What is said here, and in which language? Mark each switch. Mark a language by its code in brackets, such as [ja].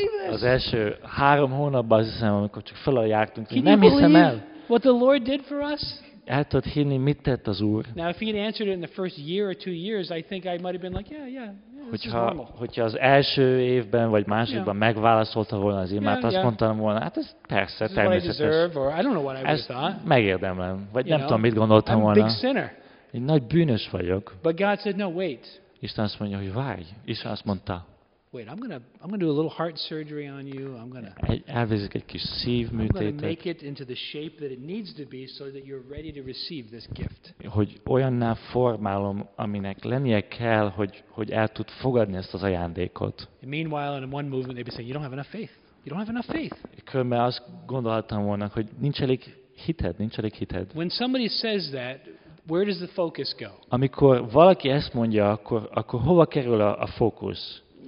[hu] Az első 3 hónapban, azt hiszem, amikor csak feljártunk, hogy nem hiszem el. [en] What the Lord did for us? [hu] El tudod hinni, mit tett az Úr? [en] Now, if he'd answered it in the first year or 2 years, I think I might have been like, yeah, this [hu] hogyha, [en] is normal. [hu] Hogyha az első évben vagy másodikban megválaszolta volna az imát, azt mondtam volna, hát ez persze, [en] this [hu] természetes. [en] This is what I deserve, or I don't know what I would [hu] ezt [en] have thought. [hu] Megérdemlem, vagy [en] you [hu] nem [en] know, [hu] tudom, mit gondoltam volna. [en] I'm a big sinner. [hu] Egy nagy bűnös vagyok. [en] But God said, no, wait. [hu] Isten azt mondja, hogy várj. Isten azt mondta. [en] Wait, I'm gonna do a little heart surgery on you. I'm gonna. [hu] Elvizik egy kis szívműtétet. [en] I'm gonna make it into the shape that it needs to be, so that you're ready to receive this gift. [hu] Hogy olyanná formálom, aminek lennie kell, hogy el tud fogadni ezt az ajándékot. [en] And meanwhile, in one movement, they'd be saying, "You don't have enough faith. You don't have enough faith." [hu] Különben azt gondolhattam volna, hogy nincs elég hited. [en] When somebody says that, Where does the focus go? [hu] Amikor valaki ezt mondja, akkor hova kerül a fókusz?